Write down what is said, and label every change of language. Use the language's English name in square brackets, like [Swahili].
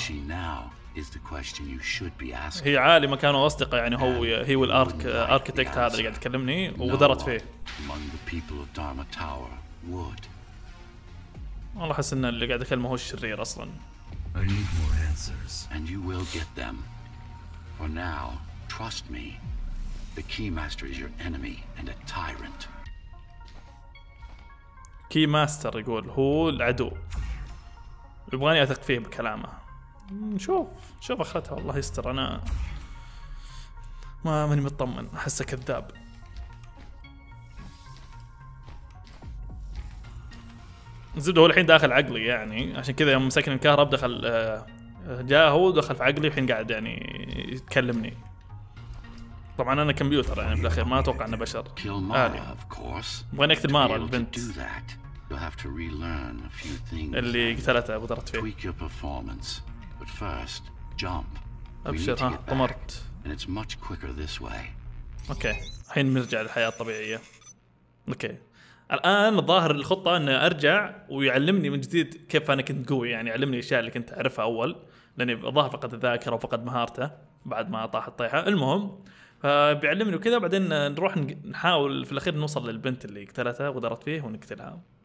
[English] Who is she now is the question you should be asking. [Arabic] هي عالمة كانوا أصدقاء يعني هي والارك اركيتكت هذا اللي قاعد يكلمني ودرت فيه. [English] Among the people of Dharma Tower would. [Arabic] والله أحس إن اللي قاعد يكلمه هو الشرير أصلاً. [English] I need more answers. And you will get them. For now, trust me. The Keymaster is your enemy and a tyrant. [Arabic] كي ماستر يقول هو العدو يبغاني اثق فيه بكلامه. نشوف شوف اخرتها. الله يستر انا ما ماني مطمن احسه كذاب. زد هو الحين داخل عقلي يعني عشان كذا يوم مسكني الكهرب دخل جاء هو دخل في عقلي الحين قاعد يعني يتكلمني. طبعا انا كمبيوتر يعني بالاخير ما اتوقع انه بشر. يبغاني اقتل مارا البنت [English] You'll have to relearn a few things. [Arabic] اللي قتلتها وضربت فيه. [English] Tweak your performance, but first jump. [Arabic] أبشر ها طمرت. [English] And it's much quicker this way. Okay, [Arabic] الحين بنرجع للحياة الطبيعية. [English] Okay, [Arabic] الآن ظاهر الخطة أن أرجع ويعلمني من جديد كيف أنا كنت قوي، يعني يعلمني الأشياء اللي كنت أعرفها أول، لأني ظاهر فقد الذاكرة وفقد مهارته بعد ما طاح الطيحة. المهم فبيعلمني وكذا، بعدين نروح نحاول في الأخير نوصل للبنت اللي قتلتها ودرت فيه ونقتلها.